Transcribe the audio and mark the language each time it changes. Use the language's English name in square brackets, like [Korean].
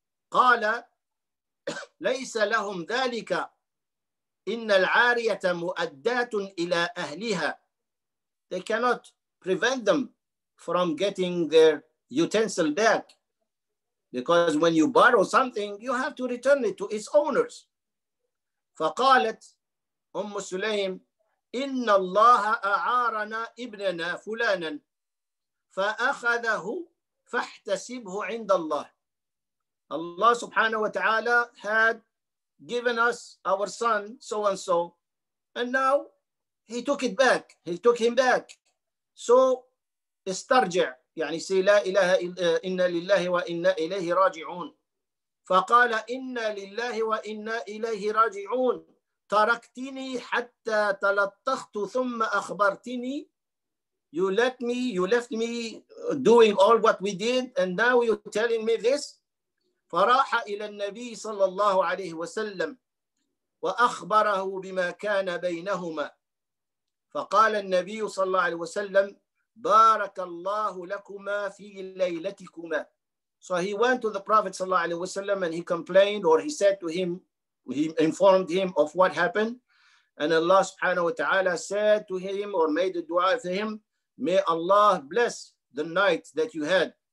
[Arabic] قال ليس لهم ذلك إن العارية مؤدات إلى أهلها. [English] They cannot prevent them from getting their utensil back, because when you borrow something you have to return it to its owners. [Arabic] فقالت أم سليم إن الله أعارنا ابننا فلانا فأخذه فاحتسبه عند الله. [English] Allah subhanahu wa ta'ala had given us our son so-and-so, and now he took it back. He took him back. So, [Arabic] استرجع. يعني سي لا إله إنا لله وإنا إليه راجعون. فقال إنا لله وإنا إليه راجعون. تركتني حتى تلطخت ثم أخبرتني. [English] You left me doing all what we did, and now you're telling me this. [Arabic] فراح إلى النبي صلى الله عليه وسلم وأخبره بما كان بينهما فقال النبي صلى الله عليه وسلم بارك الله لكما في ليلتكما. [English] So he went to the Prophet [Arabic] صلى الله عليه وسلم [English] and he complained, or he said to him, he informed him of what happened, and Allah subhanahu wa ta'ala said to him or made a dua for him, may Allah bless the night that you had.